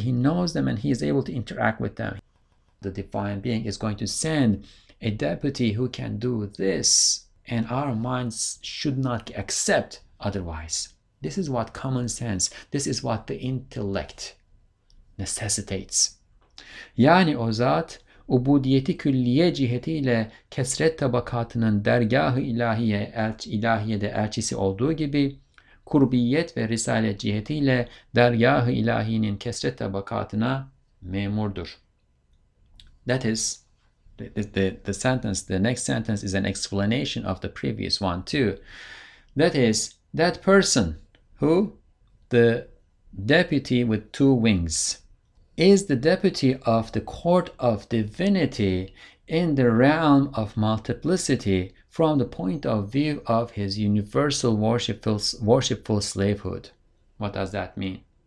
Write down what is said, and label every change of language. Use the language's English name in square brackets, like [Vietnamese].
[English] He knows them and he is able to interact with them. The divine being is going to send a deputy who can do this, and our minds should not accept otherwise. This is what common sense, this is what the intellect necessitates. [Turkish] Yani o zat, ubudiyeti külliye cihetiyle kesret tabakatının dergah-ı ilahiye, ilahiyede elçisi olduğu gibi, kurbiyet ve risalet cihetiyle dergah-ı ilahinin kesret tabakatına memurdur. [English] That is, the sentence, the next sentence is an explanation of the previous one too. That is, that person who, the deputy with two wings, is the deputy of the court of divinity in the realm of multiplicity from the point of view of his universal worshipful slavehood. What does that mean?